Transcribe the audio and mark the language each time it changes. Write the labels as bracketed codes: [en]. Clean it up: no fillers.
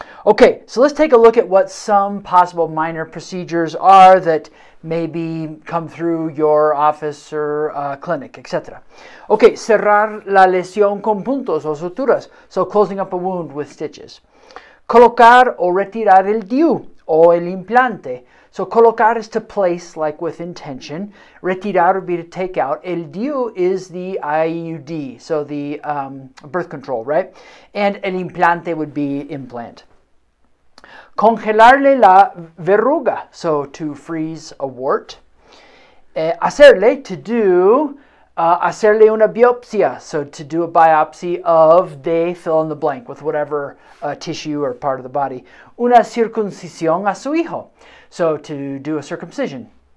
[en] Okay, so let's take a look at what some possible minor procedures are that maybe come through your office or clinic, etc. [es] Okay, cerrar la lesión con puntos o suturas. [en] So closing up a wound with stitches. [es] Colocar o retirar el DIU o el implante. [en] So colocar is to place, like with intention. Retirar would be to take out. El DIU is the IUD, so the birth control, right? And el implante would be implant. [es] Congelarle la verruga, [en] so to freeze a wart. Hacerle, to do. [es] Hacerle una biopsia, [en] so to do a biopsy of the fill in the blank with whatever tissue or part of the body. [es] Una circuncisión a su hijo, [en] so to do a circumcision.